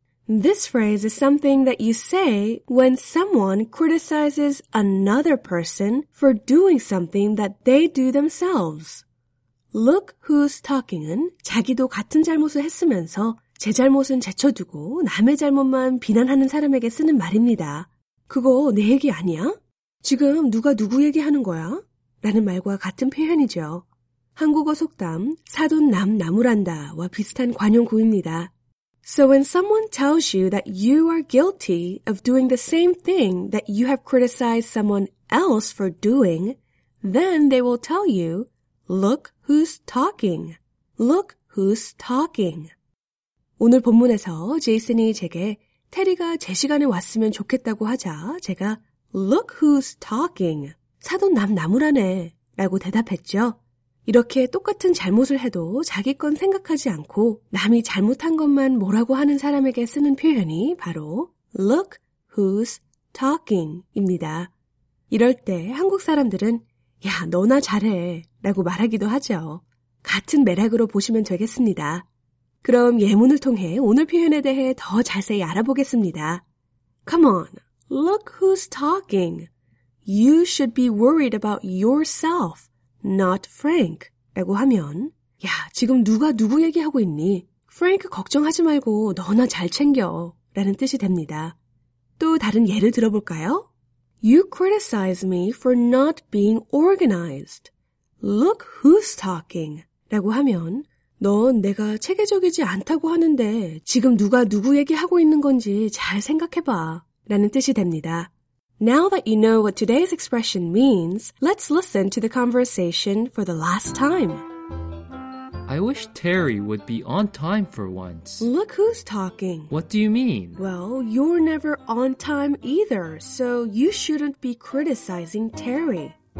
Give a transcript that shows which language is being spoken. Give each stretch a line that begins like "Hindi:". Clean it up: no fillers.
English: This phrase is something that you say when someone criticizes another person for doing something that they do themselves. Look who's talking은
Korean: 자기도 같은 잘못을 했으면서 제 잘못은 제쳐두고 남의 잘못만 비난하는 사람에게 쓰는 말입니다. 그거 내 얘기 아니야? 지금 누가 누구 얘기하는 거야? 라는 말과 같은 표현이죠. 한국어 속담 사돈 남 나무란다와 비슷한 관용구입니다.
English: So when someone tells you that you are guilty of doing the same thing that you have criticized someone else for doing, then they will tell you, look who's talking. Look who's talking.
Korean: 오늘 본문에서 제이슨이 제게 테리가 제 시간에 왔으면 좋겠다고 하자 제가
English: look who's talking.
Korean: 사돈 남 나무라네 라고 대답했죠. 이렇게 똑같은 잘못을 해도 자기 건 생각하지 않고 남이 잘못한 것만 뭐라고 하는 사람에게 쓰는 표현이 바로
English: look who's talking
Korean: 입니다. 이럴 때 한국 사람들은 야, 너나 잘해 라고 말하기도 하죠. 같은 맥락으로 보시면 되겠습니다. 그럼 예문을 통해 오늘 표현에 대해 더 자세히 알아보겠습니다.
English: Come on, look who's talking. You should be worried about yourself. Not Frank.
Korean: 라고 하면 야, 지금 누가 누구 얘기하고 있니? Frank 걱정하지 말고 너나 잘 챙겨. 라는 뜻이 됩니다. 또 다른 예를 들어볼까요?
English: You criticize me for not being organized. Look who's talking.
Korean: 라고 하면 넌 내가 체계적이지 않다고 하는데 지금 누가 누구 얘기하고 있는 건지 잘 생각해봐. 라는 뜻이 됩니다.
English: Now that you know what today's expression means, let's listen to the conversation for the last time. I wish Terry would be on time for once. Look who's talking. What do you mean? Well, you're never on time either, so you shouldn't be criticizing Terry.